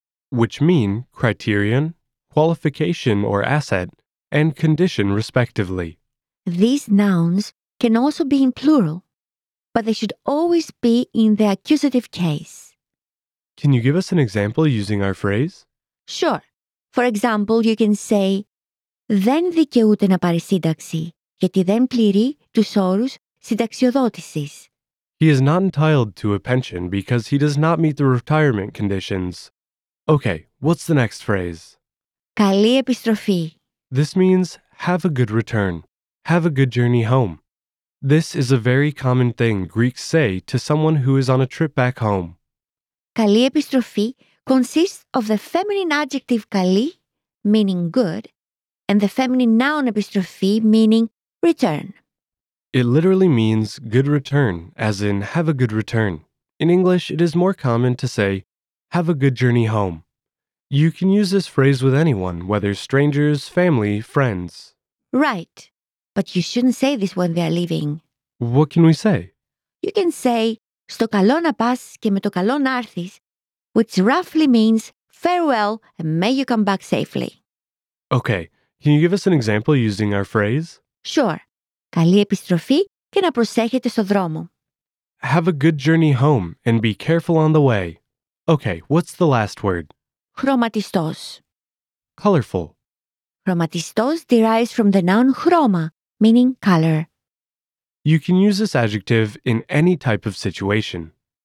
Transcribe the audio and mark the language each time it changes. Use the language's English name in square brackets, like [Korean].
[English] which mean criterion, qualification or asset, and condition respectively. These nouns can also be in plural, but they should always be in the accusative case. Can you give us an example using our phrase? Sure. For example, you can say [Greek] δεν δικαιούται να πάρει σύνταξη γιατί δεν πληρεί τους όρους συνταξιοδότησης. [English] He is not entitled to a pension because he does not meet the retirement conditions. Okay, what's the next phrase? [Greek] Καλή επιστροφή. [English] This means have a good return, have a good journey home. This is a very common thing Greeks say to someone who is on a trip back home. Καλή επιστροφή consists of the feminine adjective καλή, meaning good, and the feminine noun επιστροφή, meaning return. It literally means good return, as in have a good return. In English, it is more common to say, have a good journey home. You can use this phrase with anyone, whether strangers, family, friends. Right, but you shouldn't say this when they are leaving. What can we say? You can say, [Greek] στο καλό να πας και με το καλό να έρθεις, [English] which roughly means farewell and may you come back safely. Okay, can you give us an example using our phrase? Sure. [Greek] Καλή επιστροφή και να προσέχετε στο δρόμο. [English] Have a good journey home and be careful on the way. Okay, what's the last word? [Greek] Χρωματιστός. [English] Colorful. Χρωματιστός derives from the noun χρώμα, meaning color. You can use this adjective in any type of situation.